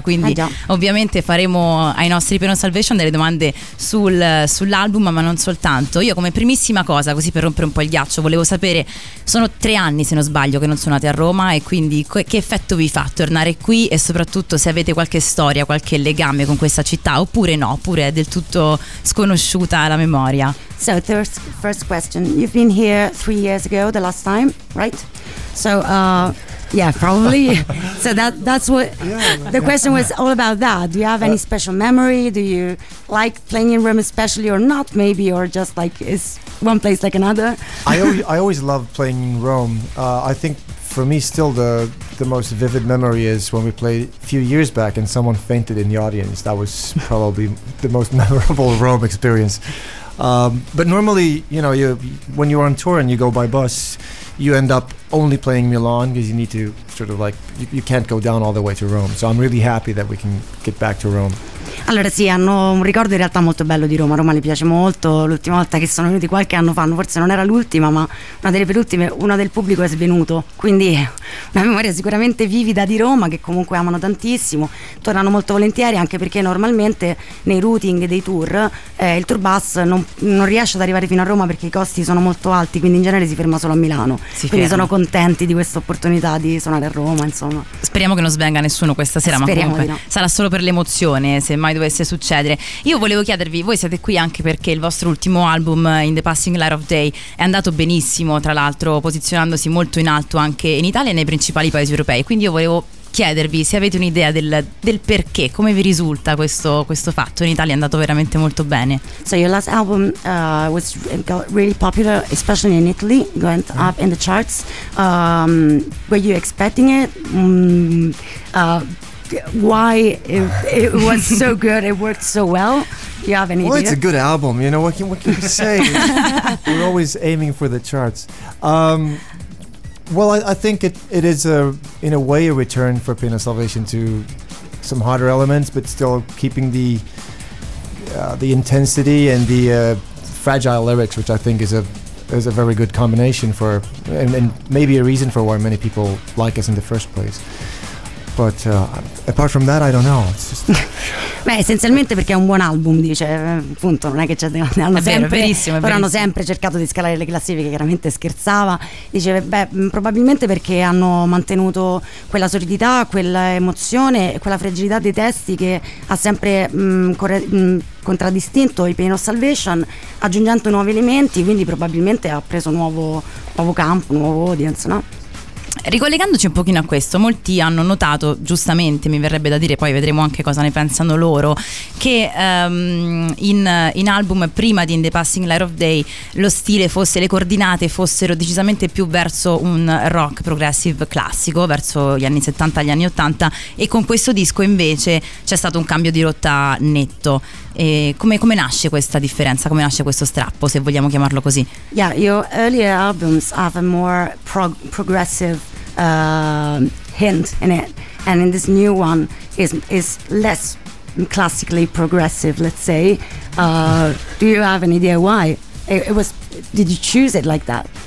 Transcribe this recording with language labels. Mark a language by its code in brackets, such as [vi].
[it] Quindi ovviamente faremo ai nostri Pain of Salvation delle domande sull'album, ma non soltanto. Io come primissima cosa, così per rompere un po' il ghiaccio, volevo sapere, sono 3 anni se non sbaglio che non suonate a Roma, e quindi che effetto vi fa tornare qui? E soprattutto se avete qualche storia, qualche legame con questa città, oppure no, oppure è del tutto sconosciuta la memoria. [en] So the first question, you've been here 3 years ago the last time, right? So yeah, probably. So that's what the question was all about. That do you have any special memory, do you like playing in Rome especially or not, maybe, or just like is one place like another? I always love playing in Rome. I think for me still the most vivid memory is when we played a few years back and someone fainted in the audience. That was probably the most memorable Rome experience. But normally, you know, when you're on tour and you go by bus, you end up only playing Milan because you need to sort of like, you can't go down all the way to Rome. So I'm really happy that we can get back to Rome. [it] Allora sì, hanno un ricordo in realtà molto bello di Roma. Roma le piace molto. L'ultima volta che sono venuti qualche anno fa, forse non era l'ultima, ma una delle penultime, una del pubblico è svenuto. Quindi una memoria sicuramente vivida di Roma, che comunque amano tantissimo. Tornano molto volentieri, anche perché normalmente nei routing dei tour il tour bus non riesce ad arrivare fino a Roma perché i costi sono molto alti, quindi in genere si ferma solo a Milano. Sono contenti di questa opportunità di suonare a Roma, insomma. Speriamo che non svenga nessuno questa sera. Speriamo, ma comunque di no. Sarà solo per l'emozione, se mai dovesse succedere. Io volevo chiedervi, voi siete qui anche perché il vostro ultimo album In the Passing Light of Day è andato benissimo, tra l'altro posizionandosi molto in alto anche in Italia e nei principali paesi europei. Quindi io volevo chiedervi se avete un'idea del perché, come vi risulta questo fatto. In Italia è andato veramente molto bene. [en] So your last album got really popular, especially in Italy, going up in the charts. Were you expecting it? Why it was so good, it worked so well? You have any idea? Well, it's a good album, you know, what can you say? We're always aiming for the charts. Well, I think it is in a way a return for Pain of Salvation to some harder elements, but still keeping the intensity and the fragile lyrics, which I think is a very good combination for, and maybe a reason for why many people like us in the first place. But apart from that, I don't know. It's just [it] beh, essenzialmente perché è un buon album, dice, appunto, non è che hanno sempre cercato di scalare le classifiche, chiaramente scherzava, dice, beh, probabilmente perché hanno mantenuto quella solidità, quella emozione, quella fragilità dei testi che ha sempre contraddistinto i Pain of Salvation, aggiungendo nuovi elementi, quindi probabilmente ha preso nuovo campo, nuovo audience, no? Ricollegandoci un pochino a questo, molti hanno notato, giustamente mi verrebbe da dire, poi vedremo anche cosa ne pensano loro, che in album prima di In the Passing Light of Day lo stile fosse, le coordinate fossero decisamente più verso un rock progressive classico, verso gli anni 70, gli anni 80, e con questo disco invece c'è stato un cambio di rotta netto. Come nasce questa differenza? Come nasce questo strappo, se vogliamo chiamarlo così? [en] Yeah, your earlier albums have a more progressive hint in it, and in this new one is less classically progressive, let's say. Do you have an idea why? Did you choose it like that?